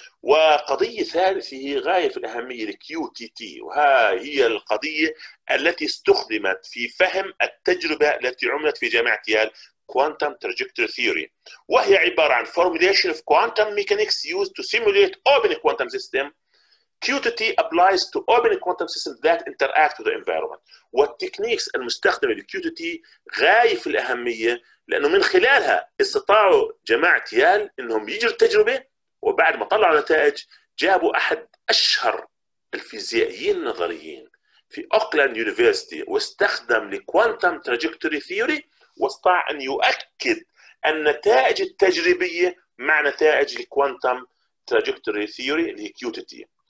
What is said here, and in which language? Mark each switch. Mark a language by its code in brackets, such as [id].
[ar] وقضيه ثالثه هي غايه في الاهميه للكيو تي تي، وهي هي القضيه التي استخدمت في فهم التجربه التي عملت في جامعه يال كوانتم تراجكتوري ثيوري، وهي عباره عن [en] Formulation of quantum mechanics used to simulate open quantum system. QTT applies to open quantum systems that interact with the environment. [ar] والتكنيكس المستخدمة لـ QTT غاية في الأهمية، لأنه من خلالها استطاعوا جماعة يال أنهم يجروا التجربة، وبعد ما طلعوا نتائج جابوا أحد أشهر الفيزيائيين النظريين في أوكلاند يونيفرسيتي واستخدم لـ Quantum Trajectory Theory، واستطاع أن يؤكد النتائج التجريبية مع نتائج لـ Quantum Trajectory Theory اللي هي QTT.